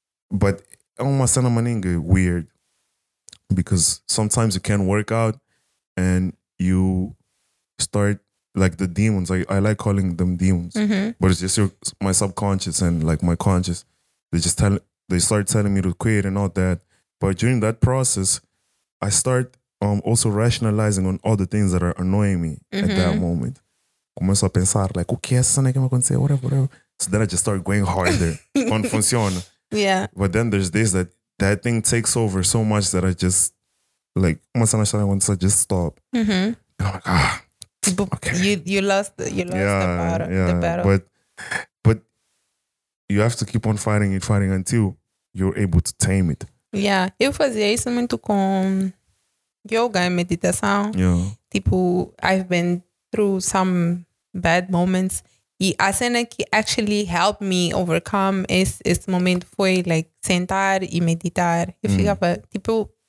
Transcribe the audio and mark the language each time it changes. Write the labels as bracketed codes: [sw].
[en] But I'm sana maninga weird because sometimes you can't work out and you start, like, the demons. I like calling them demons. Mm-hmm. But it's just my subconscious and, like, my conscious. They start telling me to quit and all that. But during that process, I start also rationalizing on all the things that are annoying me at that moment. [pt] Começo a pensar, like, o que é isso que vai acontecer? [en] Whatever. So then I just start going harder. [pt] Não funciona. [en] Yeah. But then there's this, that thing takes over so much that I just, like, once I started, once I just stop. And I'm like, okay. You lost the battle. But you have to keep on fighting and fighting until you're able to tame it. Yeah. [pt] Eu fazia isso muito com yoga e meditação. [en] Yeah. Tipo, I've been through some bad moments. [pt] E a cena que [en] actually helped me overcome [pt] esse momento foi, like, sentar e meditar. Eu ficava, tipo,